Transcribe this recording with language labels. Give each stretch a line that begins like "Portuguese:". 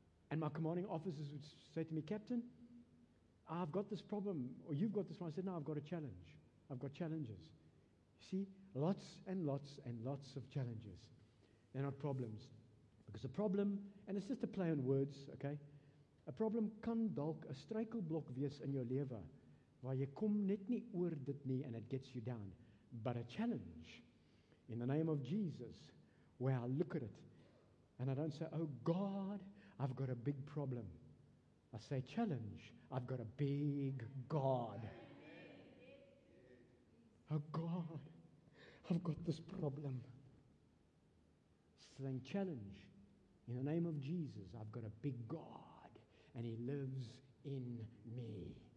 English: And my commanding officers would say to me, Captain, I've got this problem, or you've got this one. I said, no, I've got a challenge. I've got challenges. You see, lots and lots and lots of challenges. They're not problems. Because a problem, and it's just a play on words, okay? A problem
Afrikaans: kan dalk 'n struikelblok wees in jou lewe, waar jy kom net nie oor dit nie,
English: and it gets you down. But a challenge, in the name of Jesus, where I look at it, and I don't say, oh God, I've got a big problem. I say, challenge, I've got a big God. Oh God, I've got this problem. Saying, challenge, in the name of Jesus, I've got a big God, and He lives in me.